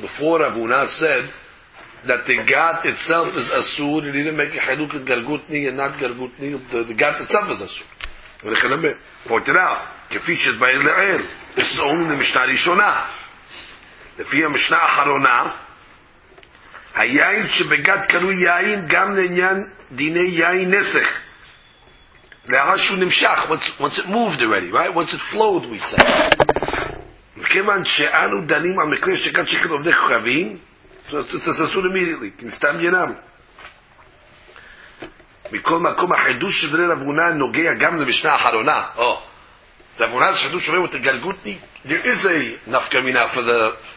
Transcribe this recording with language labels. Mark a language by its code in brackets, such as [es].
[en] Before Ravuna said that the gat itself is asur, he didn't make a chiluk of gargutni and not gargutni, the gat itself is asur. Pointed out, kefishet by Israel. This is only the Mishnah Rishonah. [he] לפי המשנה האחרונה, היין שבגד קראו יין גם לעניין דיני יין נסך. להראה שהוא נמשך, [en] once it moved already, right? Once it flowed, we said. [he] מכיוון שאנו דנים על מקרה שכאן שכן עובדי כוכבים, [en] so it's asur immediately, [he] כי נסתם ינם. מכל מקום, החידוש של דברי רבונה נוגע גם למשנה האחרונה. Oh, רבונה זה חידוש שאומרים את הגלגותני, [en] there is a [he] נפקא מינה for the...